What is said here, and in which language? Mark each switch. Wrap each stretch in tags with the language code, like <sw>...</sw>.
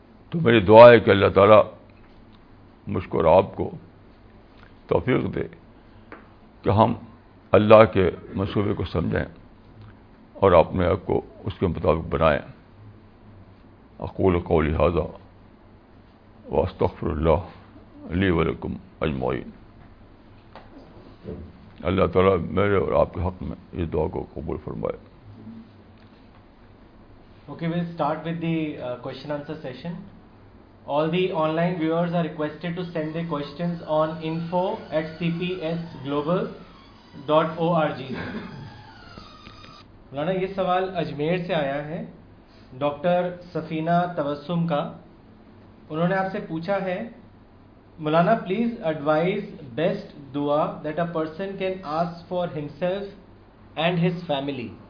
<ur>تو میری دعا ہے کہ اللہ تعالیٰ مجھ کو اور آپ کو توفیق دے کہ ہم اللہ کے منصوبے کو سمجھیں اور اپنے آپ کو اس کے مطابق بنائیں.</ur> <ar>اقول قولی ھذا واستغفر اللہ لی ولکم اجمعین.</ar> <ur>اللہ تعالیٰ میرے اور آپ کے حق میں اس دعا کو قبول فرمائے.</ur> <en>Okay, we'll start with the question answer session. All the online viewers are requested to send their questions on info@cpsglobal.org.</en> <ur>مولانا یہ سوال اجمیر سے آیا ہے ڈاکٹر سفینہ تبسم کا. انہوں نے آپ سے پوچھا ہے</ur> <en>مولانا please advise best دعا that a person can ask for himself and his family.</en>